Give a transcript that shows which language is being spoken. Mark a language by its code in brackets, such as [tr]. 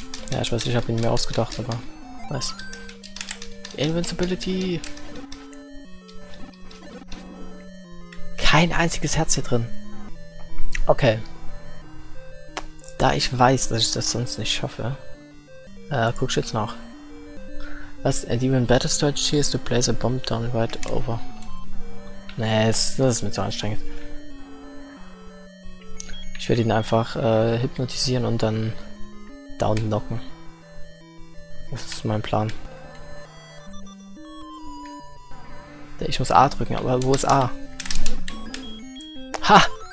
[de] Ja, ich weiß, ich habe ihn mir ausgedacht, aber weiß. Invincibility! Kein einziges Herz hier drin. Okay. Da ich weiß, dass ich das sonst nicht schaffe. Guck jetzt nach. Was? [en] And even better strategy is to place a bomb down right over. [de] Nee, das ist mir zu anstrengend. Ich werde ihn einfach hypnotisieren und dann down knocken. Das ist mein Plan. Ich muss A drücken, aber wo ist A? Ha!